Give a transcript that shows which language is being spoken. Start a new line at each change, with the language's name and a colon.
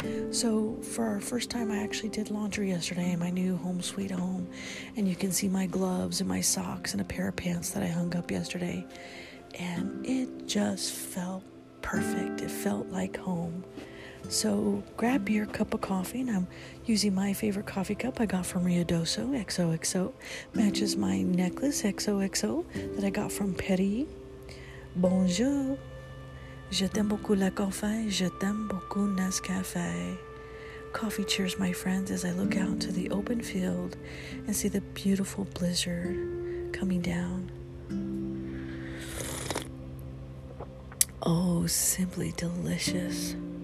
English: So for our first time, I actually did laundry yesterday in my new home sweet home, and you can see my gloves and my socks and a pair of pants that I hung up yesterday, and it just felt perfect. It felt like home. So grab your cup of coffee, and I'm using my favorite coffee cup I got from Riodoso, XOXO, matches my necklace, XOXO, that I got from Perry.
French: Bonjour, je t'aime beaucoup le café, je t'aime beaucoup Nescafé.
English: Coffee cheers, my friends, as I look out to the open field and see the beautiful blizzard coming down. Oh, simply delicious.